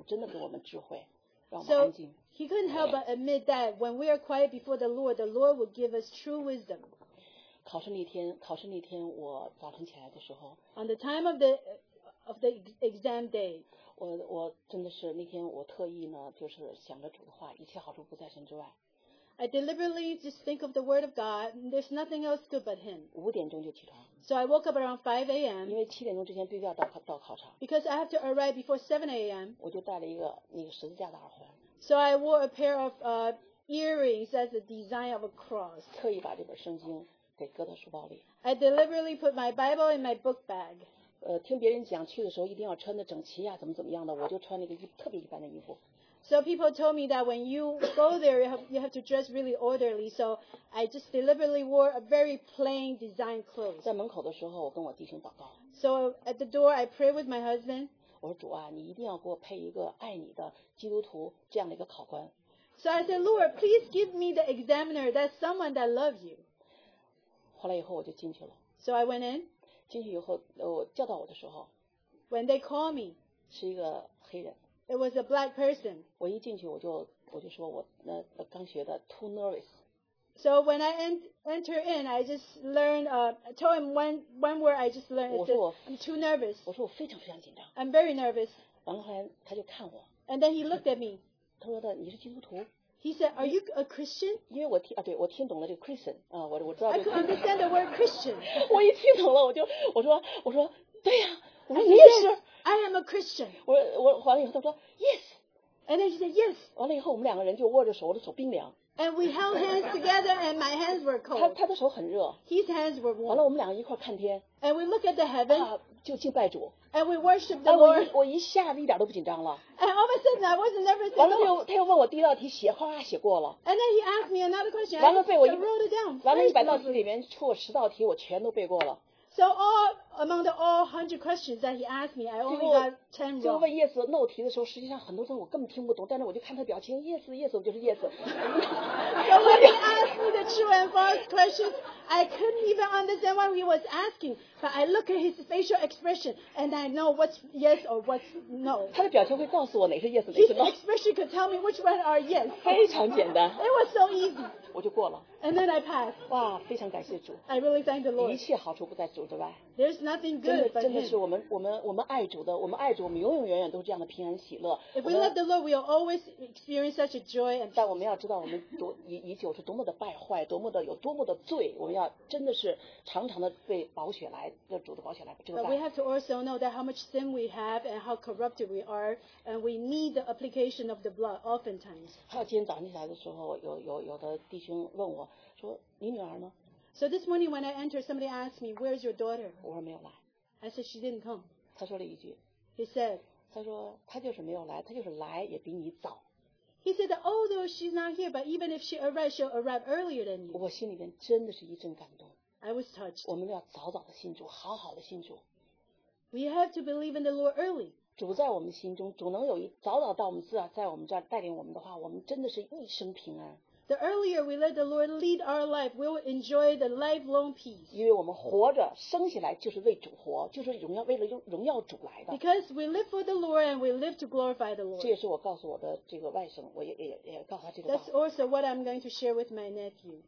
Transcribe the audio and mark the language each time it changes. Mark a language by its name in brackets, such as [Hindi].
[Chinese] 他不得不承认主真的是我们真的安静在主的面前的时候，主真的给我们智慧，让我们安静。 [English] So he couldn't help but admit that when we are quiet before the Lord will give us true wisdom. [Chinese] 考试那天，我早晨起来的时候 [English] ，On the time of the exam day， [Chinese] 我真的是那天我特意呢，就是想着主的话，一切好处不在神之外。 [English] I deliberately just think of the word of God. There's nothing else good but Him. [Chinese] 5点钟就起床。 [English] So I woke up around 5 a.m. [Chinese] 因为7点钟之前必须要到考场。 [English] Because I have to arrive before 7 a.m. [Chinese] 我就带了一个那个十字架的耳环。 [English] So I wore a pair of earrings as a design of a cross. [Chinese] 特意把这本圣经给搁到书包里。 [English] I deliberately put my Bible in my book bag. [Chinese] 听别人讲去的时候一定要穿得整齐呀、啊，怎么怎么样的，我就穿了一个特别一般的衣服。 [English] So people told me that when you go there, you have to dress really orderly. So I just deliberately wore a very plain design clothes. [Chinese] 在门口的时候，我跟我弟兄祷告。 [English] So at the door, I pray with my husband. [Chinese] 我说主啊，你一定要给我配一个爱你的基督徒这样的一个考官。 [English] So I said, Lord, please give me the examiner, that someone that loves you. [Chinese] 后来以后我就进去了。 [English] So I went in. [Chinese] 进去以后，我叫到我的时候。 [English] When they call me. [Chinese] 是一个黑人。 [English] It was a black person. [Chinese] 我一进去我就说我那刚学的 [English] too nervous. So when I enter in, I just learned, I told him one word I just learned. It said, I'm too nervous. [Chinese] 我说我非常非常紧张。 [English] I'm very nervous. [Chinese] 然后后来他就看我。 [English] And then he looked at me. [Chinese] 他说的你是基督徒。 [English] He said, are you a Christian? [Chinese] 因为我听啊对我听懂了这个 Christian, 啊我知道。 [English] I could understand the word Christian. [Chinese] 我一听懂了我说对呀、啊、我说你也是。 [English] I am a Christian. [Chinese] 我完了以后，他说 Yes. [English] And then she said Yes. [Chinese] 完了以后，我们两个人就握着手，我的手冰凉。 [English] And we held hands together, and my hands were cold. [Chinese] 他的手很热。 [English] His hands were warm. [Chinese] 完了，我们两个一块看天。 [English] And we look at the heaven. [Chinese] 就敬拜主。 [English] And we worship the Lord. [Chinese] 我一下子一点都不紧张了。 [English] And all of a sudden, I wasn't nervous. [Chinese] 完了他又问我第一道题写，哗写过了。 [English] And then he asked me another question. [Chinese] 完了背我一 [English] wrote it down. [Chinese] 完了，一百道题里面出我十道题，我全都背过了。 [English] So all among the all 100 questions that he asked me, I only got 10 wrong. [Chinese] 问 [English] yes no [Chinese] 题的时候，实际上很多时候我根本听不懂，但是我就看他表情 ， [English] yes yes [Chinese] 就是 yes. [English] So when he asked me the true and false questions, I couldn't even understand what he was asking. But I look at his facial expression, and I know what's yes or what's no. [Chinese] 他的表情会告诉我哪是 [English] yes [Chinese] 哪是 [English] no. His expression could tell me which one are yes. [Chinese] 非常简单。 [English] It was so easy. [Chinese] 我就过了。 [English] And then I passed. [Chinese] 哇，非常感谢主。 [English] I really thank the Lord. [Chinese] 一切好处不在主，对吧？ [English] There's nothing good but Him. [Chinese] 真的是我们爱主的，我们爱主，我们永永远远都是这样的平安喜乐。 [English] If we love the Lord, we will always experience such a joy and peace. [Chinese] 但我们要知道，我们多以前是多么的败坏，多么的有多么的罪，我们要真的是常常的被宝血来，要主的宝血来遮盖。 [English] But we have to also know that how much sin we have and how corrupted we are, and we need the application of the blood oftentimes. [Chinese] 还有今天早上起来的时候，有的弟兄问我说：“你女儿呢？” [English] So this morning when I entered, somebody asked me, "Where's your daughter?" [Chinese] 我说没有来。 [English] I said she didn't come. [Chinese] 他说了一句。 [English] He said. [Chinese] 他说他就是没有来，他就是来也比你早。 [English] He said that although she's not here, but even if she arrives, she'll arrive earlier than you. [Chinese] 我心里面真的是一阵感动。 [English] I was touched. [Chinese] 我们要早早的信主，好好的信主。 [English] We have to believe in the Lord early. [Chinese] 主在我们心中，主能有一早早到我们自然在我们这儿带领我们的话，我们真的是一生平安。 [English] The earlier we let the Lord lead our life, we will enjoy the lifelong peace. [Chinese] 因为我们活着，生下来就是为主活，就是荣耀为了荣耀主来的。 [English] Because we live for the Lord and we live to glorify the Lord. [Chinese] 这也是我告诉我的这个外甥，我也告诉他这个道。 [English] That's also what I'm going to share with my nephew.